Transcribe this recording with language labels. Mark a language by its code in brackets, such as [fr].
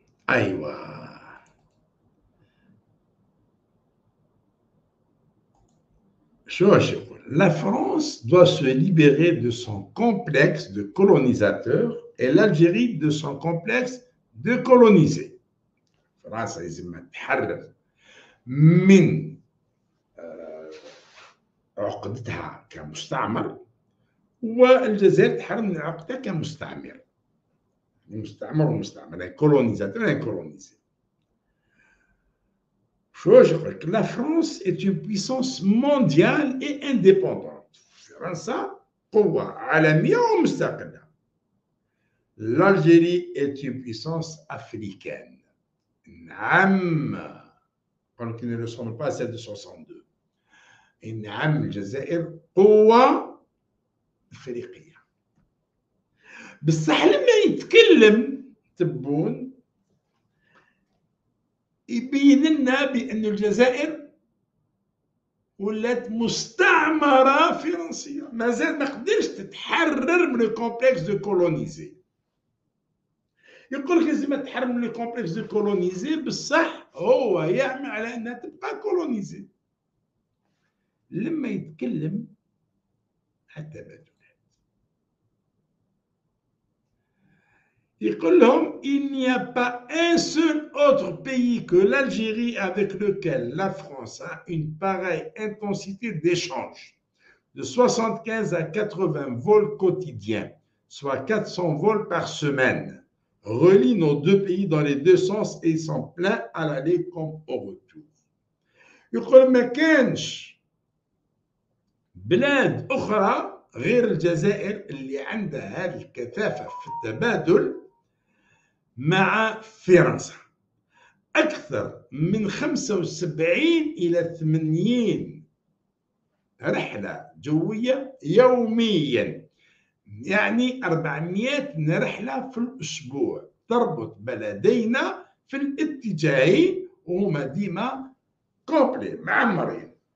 [ar] أيوة، شوش يقول: [fr] La France doit se libérer de son complexe de colonisateur et l'Algérie de son complexe de colonisé. [ar] فرنسا لازم تحرر من عقدتها كمستعمر، والجزائر تحرر من عقدتها كمستعمر. مستعمر ومستعمر، يعني كولونيزاتور يعني كولونيزي. شوش يقول لك: [fr] La France est une puissance mondiale et indépendante. [ar] فرنسا قوة عالمية ومستقلة. [fr] L'Algérie est une puissance africaine. [ar] نعم، قال لك [fr] ne ressemble pas à celle de 62. [ar] نعم، الجزائر قوة إفريقية. بصح لما يتكلم تبون يبين لنا بأن الجزائر ولات مستعمرة فرنسية، مازال ما قدرش تتحرر من الكومبلكس دو كولونيزي. يقول لك لازم تتحرر من الكومبلكس دو كولونيزي، بصح هو يعمل على أنها تبقى كولونيزي. لما يتكلم حتى بعد يقول لهم: [fr] il n'y a pas un seul autre pays que l'Algérie avec lequel la France a une pareille intensité d'échange. De 75 à 80 vols quotidiens, soit 400 vols par semaine, relient nos deux pays dans les deux sens et ils sont pleins à l'aller comme au retour. [ar] يقول: ما كانش بلاد أخرى غير الجزائر اللي عندها هذه الكثافة في التبادل مع فرنسا. أكثر من 75 إلى 80 رحلة جوية يوميا، يعني 400 رحلة في الأسبوع تربط بلدينا في الاتجاهين، وهما ديما كوبلي معمرين.